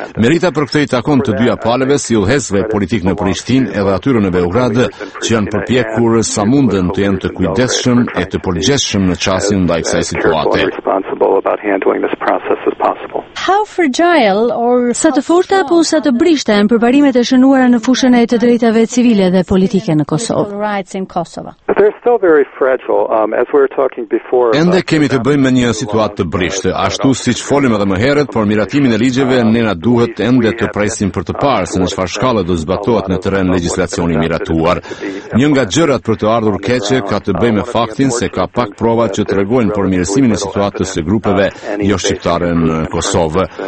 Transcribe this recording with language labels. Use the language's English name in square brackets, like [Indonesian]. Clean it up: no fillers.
[Albanian] Merita për këtë i takon të dyja palëve, si udhëhesve politik në Prishtinë edhe atyre në Beograd, që janë përpjekur sa munden të jenë të kujdesshëm e të përgjegjshëm në çastin ndaj kësaj situate. [English] How fragile or [Albanian] sa të forta apo sa të brishta janë përparimet e shënuara në fushën e të drejtave civile dhe politike në Kosovë? [English] They're still very fragile as we were talking before. [Albanian] Ende kemi të bëjmë me një situatë të brishtë, ashtu siç folëm edhe më herët, por miratimin e ligjeve ne na duhet ende të presim për të parë se në çfarë shkallë do zbatohet në terren legjislacioni miratuar. Një nga gjërat për të ardhur keqe ka të bëjë me faktin se ka pak prova që tregojnë për mirësimin e situatës së grupeve jo shqiptare në Kosovë.